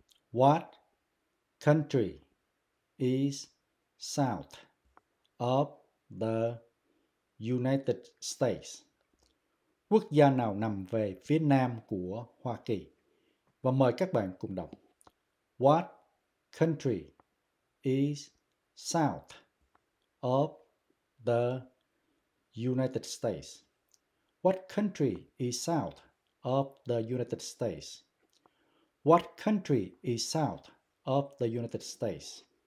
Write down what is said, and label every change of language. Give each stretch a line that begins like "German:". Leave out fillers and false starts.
English: What country is south of the United States?
Vietnamese: Quốc gia nào nằm về phía nam của Hoa Kỳ? Và mời các bạn cùng đọc.
English: What country is south of the United States? What country is south of the United States? What country is south of the United States?